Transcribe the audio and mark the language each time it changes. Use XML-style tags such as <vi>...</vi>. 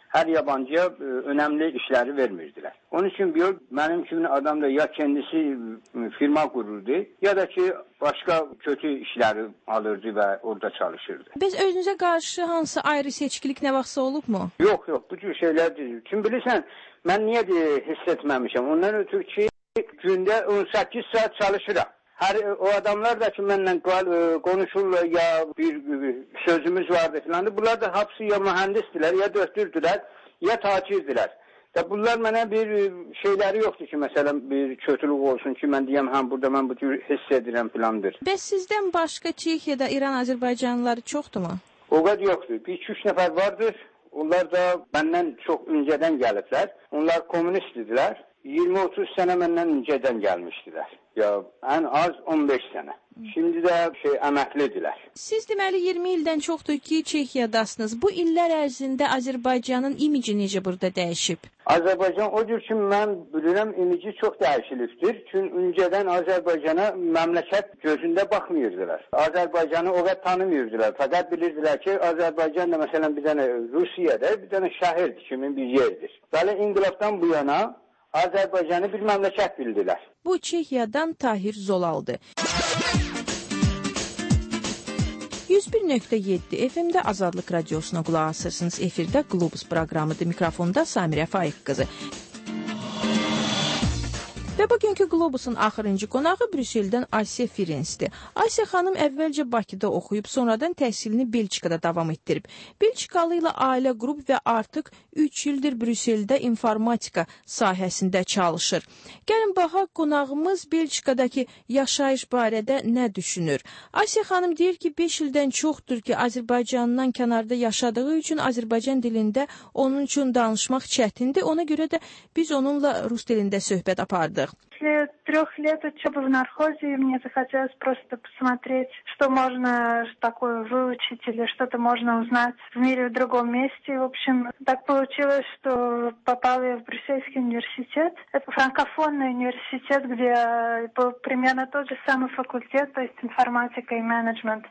<az>Hər yabancıya önəmli işləri vermirdilər. Onun üçün bir mənim kimi adam da ya kendisi firma qururdu, ya da ki, başqa kötü işləri alırdı və orada çalışırdı. Biz özünüzə qarşı hansı ayrı seçkilik nə vaxtsa olubmu? Yox, yox, bu cür şeylər deyil. Kim bilirsən, mən niyə hiss etməmişəm? Ondan ötürü ki, gündə 18 saat çalışıram. Hər o adamlar da ki, mənlə konuşurlar ya bir sözümüz vardı filan. Bunlar da hapsi ya mühəndisdirlər, ya döktürdülər, ya tacirdirlər. Ya bunlar mənə bir şeyləri yoxdur ki, məsələn, bir kötülük olsun ki, mən deyəm, həm burada mən bu cür hiss edirəm filandır. Bəs sizdən başqa Çexiyada İran Azərbaycanlıları çoxdur mu? O qədər yoxdur. Bir 2-3 nəfər vardır. Onlar da məndən çox öncədən gəliblər. Onlar komünistdirlər. 20-30 sənə məndən öncədən gəlmişdilər. Ya ən az 15 sənə. Şimdi də əməklidirlər. Siz deməli 20 ildən çoxdur ki, Çexiyadasınız. Bu illər ərzində Azərbaycanın imici necə burada dəyişib? Azərbaycan o cür ki, mən bilirəm, imici çox dəyişilibdir. Çünki öncədən Azərbaycana məmləkət gözündə baxmıyırdılar. Azərbaycanı o qədər tanımıyırdılar. Fəqət bilirdilər ki, Azərbaycan da məsələn bir dənə Rusiyada, bir dənə şəhərdir, kimin bir yerdir. Bəli, inqilabdan bu yana Azərbaycanı bir məmləkət bildilər. Bu Çexiyadan Tahir Zolaldı. 101.7 FM-də Azadlıq Radiosuna qulaq asırsınız. Efirdə Globus proqramıdır. Mikrofonda Samirə Faiq qızı. Və Ve bugünkü Globus'un axırıncı qonağı Brüsseldən Asiya Firensdir. Asiya xanım əvvəlcə Bakıda oxuyub, sonradan təhsilini Belçikada davam etdirib. Belçikalı ilə ailə qrup və artıq 3 ildir Brüsseldə informatika sahəsində çalışır. Gəlin baha qonağımız Belçikadakı yaşayış barədə nə düşünür? Asiya xanım deyir ki, 5 ildən çoxdur ki, Azərbaycandan kənarda yaşadığı üçün Azərbaycan dilində onun üçün danışmaq çətindir. Ona görə də biz onunla rus dilində söhbət apardıq.</az> <ru>После трех лет учебы в нархозе мне захотелось просто посмотреть, что можно такое выучить или что-то можно узнать в мире в другом месте. В общем, так получилось, что попала я в Брюссельский университет. Это франкофонный университет, где был примерно тот же самый факультет, то есть информатика и менеджмент.</ru>